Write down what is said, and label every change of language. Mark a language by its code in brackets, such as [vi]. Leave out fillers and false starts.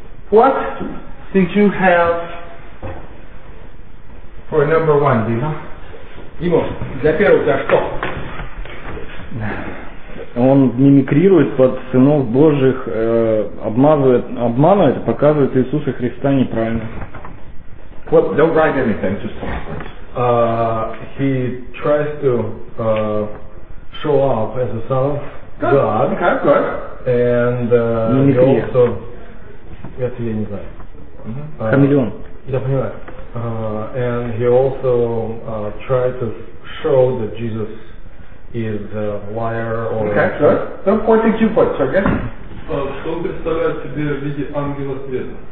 [en] What did you have for number one, Dima? [ru] Дима, для первого у тебя что? Он мимикрирует под сынов Божьих, обманывает, показывает Иисуса Христа неправильно. [en] Well, don't write anything, just talk. He tries to show off as a son of good. God. Okay, good. And [ru] мимикрия. He also, это я не знаю. Хамелеон. Я понимаю. [en] And he also tried to show that Jesus is a liar or okay, sure. Some point did you put, sir? [ru] Что он представляет себе в виде ангела света?